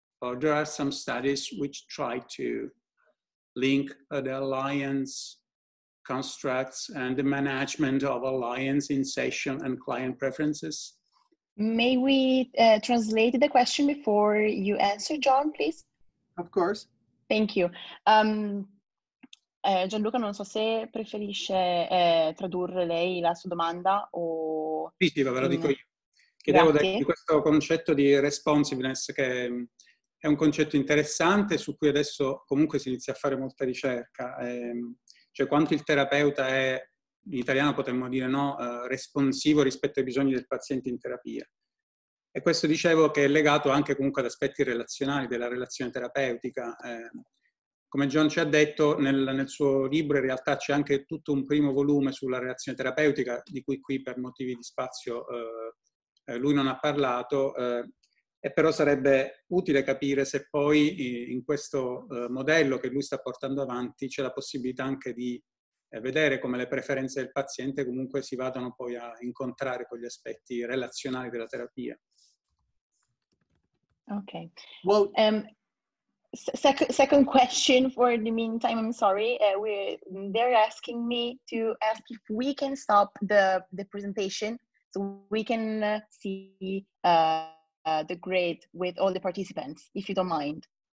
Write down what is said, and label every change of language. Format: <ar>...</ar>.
<en>Or there are some studies which try to link the alliance constructs and the management of alliance in session and client preferences? May we translate the question before you answer, John, please? Of course. Thank you.</en> <it>Gianluca, non so se preferisce tradurre lei la sua domanda o... Sì, sì, ve lo dico io. Chiedevo di questo concetto di responsiveness, che è un concetto interessante su cui adesso comunque si inizia a fare molta ricerca. Cioè, quanto il terapeuta è... in italiano potremmo dire no, responsivo rispetto ai bisogni del paziente in terapia. E questo dicevo che è legato anche comunque ad aspetti relazionali della relazione terapeutica. Come John ci ha detto, nel suo libro in realtà c'è anche tutto un primo volume sulla reazione terapeutica, di cui qui per motivi di spazio lui non ha parlato, e però sarebbe utile capire se poi in questo modello che lui sta portando avanti c'è la possibilità anche di vedere come le preferenze del paziente comunque si vadano poi a incontrare con gli aspetti relazionali della terapia.</it> <en>Ok. Well, second question for the meantime, I'm sorry. They're asking me to ask if we can stop the presentation so we can see the grid with all the participants, if you don't mind.</en>